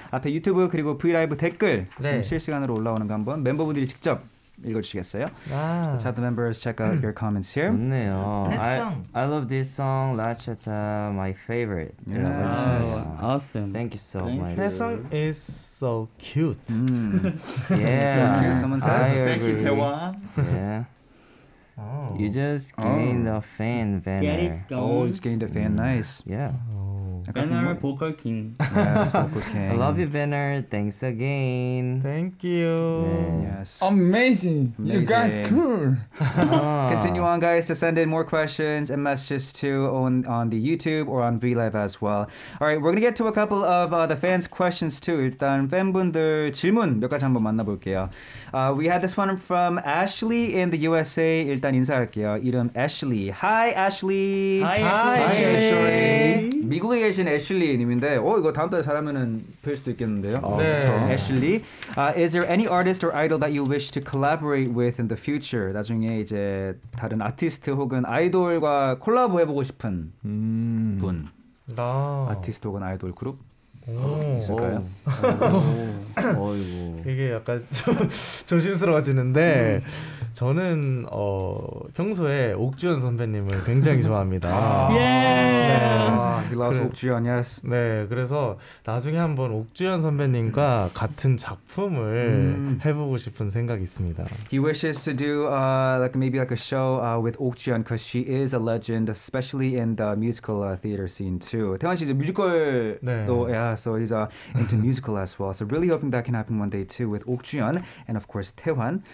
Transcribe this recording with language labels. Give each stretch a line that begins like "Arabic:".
Korean: 앞에 유튜브 그리고 브이라이브 댓글 네. 실시간으로 올라오는 거 한번 멤버분들이 직접 읽어주시겠어요? 아.
English: Let's have the members check out your comments here. 좋네요. I love this song, La Chata, my favorite. Yeah. Yeah. Awesome. Thank you so much. That song is so cute. Mm. Yeah. So cute. Someone says, thank you, Taewa. Yeah. Oh. You just gained a fan, Vanner. Get it going. Oh, you just gained a fan. Nice. Yeah. Vanner, vocal king. Yes, vocal king. I love you, Vanner. Thanks again. Thank you. Yes. Amazing. You guys cool. Continue on, guys, to send in more questions and messages to on the YouTube or on VLive as well. All right, we're going to get to a couple of the fans' questions, too.
Korean: 일단 팬분들 질문 몇 가지 한번 만나볼게요.
English: We had this one from Ashley in the USA.
Korean: 일단 인사할게요. 이름 Ashley.
English: Hi, Ashley. Hi, Ashley. Hi, Ashley.
Korean: 미국에 계신 애슐리님인데 이거 다음 달에 잘하면은 뵐 수도 있겠는데요. 아, 네. 그렇죠.
English: 애슐리, is there any artist or idol that you wish to collaborate with in the future?
Korean: 나중에 이제 다른 아티스트 혹은 아이돌과 콜라보 해보고 싶은 분. 나. 아티스트 혹은 아이돌 그룹? 오. 있을까요? 오. 오. 오. 이게 약간 조심스러워지는데 저는 평소에 옥주현 선배님을 굉장히 좋아합니다. 예. Yeah.
English: 아, he loves 옥주현. Yes.
Korean: 네. 그래서 나중에 한번 옥주현 선배님과 같은 작품을 해 보고 싶은 생각이 있습니다.
English: He wishes to do like maybe like a show with 옥주현 because she is a legend especially in the musical theater scene too.
Korean: 태환 씨 이제 뮤지컬도 네.
English: yeah, so he's into musical as well. So really hoping that can happen one day too with 옥주현 and of course 태환.